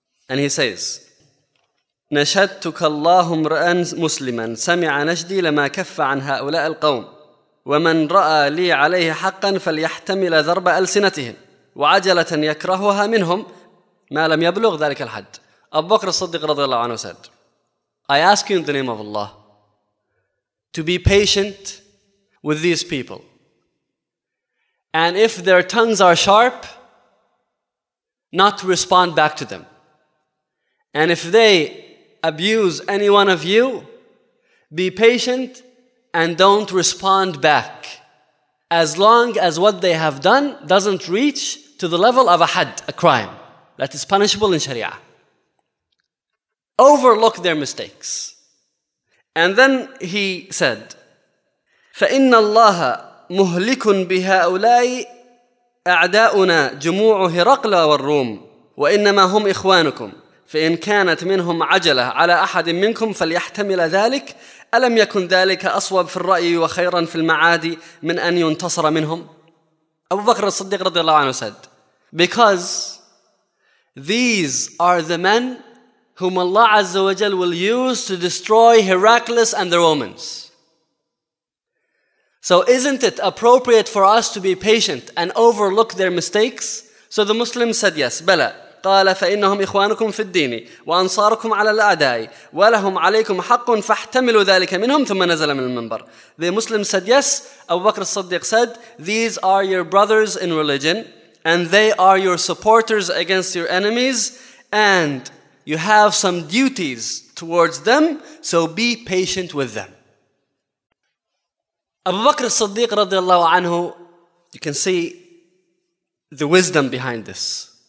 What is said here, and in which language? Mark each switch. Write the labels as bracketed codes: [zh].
[en] And he says, [ar] نشدتك الله امرأ مسلما سمع نشدي لما كف عن هؤلاء القوم ومن رأى لي عليه حقا فليحتمل ضرب ألسنتهم وعجلة يكرهها منهم ما لم يبلغ ذلك الحد. [en] أبو بكر الصديق رضي الله عنه said, I ask you in the name of Allah to be patient with these people. And if their tongues are sharp, not to respond back to them. And if they abuse any one of you, be patient and don't respond back. As long as what they have done doesn't reach to the level of a had, a crime that is punishable in Sharia. Overlook their mistakes. And then he said, [ar] فَإِنَّ اللَّهَ مُهْلِكٌ بِهَاؤُلَاءِ أَعْدَاؤُنَا جُمُوعُ هِرَقْلَ وَالرُّومِ وَإِنَّمَا هُمْ إِخْوَانُكُمْ فإن كانت منهم عجلة على أحد منكم فليحتمل ذلك ألم يكن ذلك أصوب في الرأي وخيرا في المعاد من أن ينتصر منهم. [en] أبو بكر الصديق رضي الله عنه said, because these are the men whom Allah Azza wa Jal will use to destroy Heracles and the Romans. So isn't it appropriate for us to be patient and overlook their mistakes? So the Muslims said yes, بلى [ar] قال فإنهم إخوانكم في الدين وأنصاركم على الأعداء ولهم عليكم حق فاحتملوا ذلك منهم ثم نزل من المنبر. [en] The Muslim said yes. Abu Bakr al-Siddiq said these are your brothers in religion and they are your supporters against your enemies and you have some duties towards them so be patient with them. Abu Bakr al-Siddiq رضي الله عنه, you can see the wisdom behind this.